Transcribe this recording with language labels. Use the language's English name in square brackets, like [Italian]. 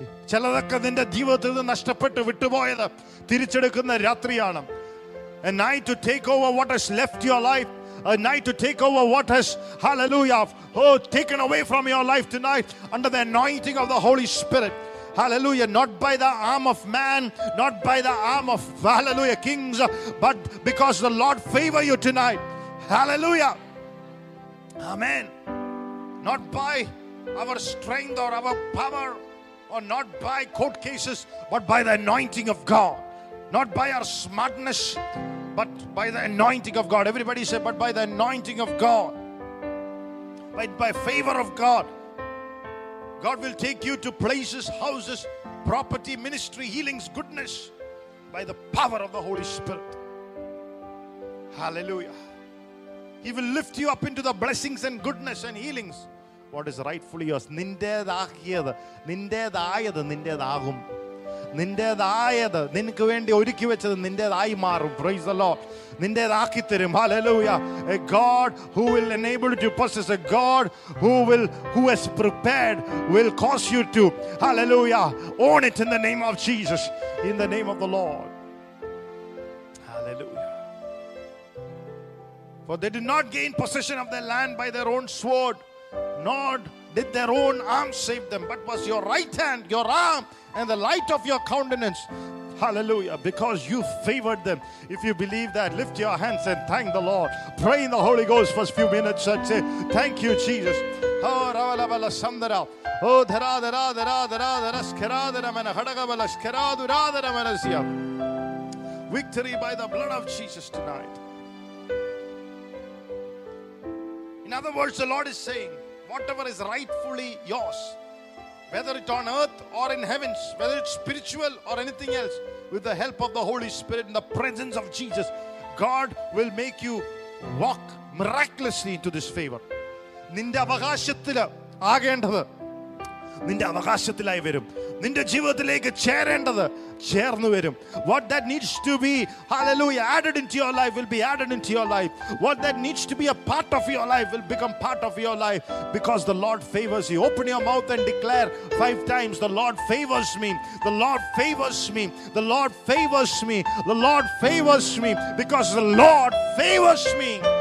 [Malayalam] ചിലതൊക്കെ നിന്റെ ജീവിതത്തിൽ നിന്ന് നഷ്ടപ്പെട്ട് വിട്ടുപോയത് തിരിച്ചെടുക്കുന്ന രാത്രിയാണ്. [English] A night to take over what has left your life. A night to take over what has, hallelujah, oh, taken away from your life tonight under the anointing of the Holy Spirit. Hallelujah. Not by the arm of man, not by the arm of, hallelujah, kings, but because the Lord favor you tonight. Hallelujah. Amen. Not by our strength or our power, or not by court cases, but by the anointing of God. Not by our smartness, but by the anointing of God. Everybody say, but by the anointing of God. By favor of God. God will take you to places, houses, property, ministry, healings, goodness. By the power of the Holy Spirit. Hallelujah. He will lift you up into the blessings and goodness and healings. What is rightfully yours. [Malayalam] നിന്റേതാക്കിയത് നിന്റേതായത് നിന്റേതാകും. നിന്റേതായത് നിനക്ക് വേണ്ടി ഒരുക്കി വെച്ചത് നിന്റേതായി മാറും. [English] Praise the Lord. [Malayalam] നിന്റേതാക്കി തരും. ഹല്ലേലൂയാ. [English] A God who will enable to possess, a God who has prepared will cause you to, hallelujah, own it in the name of Jesus, in the name of the Lord. Hallelujah. For they did not gain possession of the land by their own sword, not did their own arm save them, but was your right hand, your arm, and the light of your countenance. Hallelujah. Because you favored them. If you believe that, lift your hands and thank the Lord. Pray in the Holy Ghost for a few minutes and say, thank you, Jesus. Oh, ravalavala sandara. Oh, dharadharadharadharadharaskharadharamana hadagavalaskharadharadharamanasya. Victory by the blood of Jesus tonight. In other words, the Lord is saying, whatever is rightfully yours, whether it's on earth or in heavens, whether it's spiritual or anything else, with the help of the Holy Spirit and the presence of Jesus, God will make you walk miraculously into this favor. [Malayalam] നിന്റെ അവകാശത്തിൽ ആകേണ്ടത് നിന്റെ അവകാശത്തിലായി വരും. നിന്റെ ജീവിതത്തിലേക്ക് ചേരേണ്ടത് ചേർന്നു വരും. [English] What that needs to be, hallelujah, added into your life will be added into your life. What that needs to be a part of your life will become part of your life, because the Lord favors you. Open your mouth and declare 5 times, the Lord favors me, the Lord favors me, the Lord favors me, the Lord favors me, because the Lord favors me.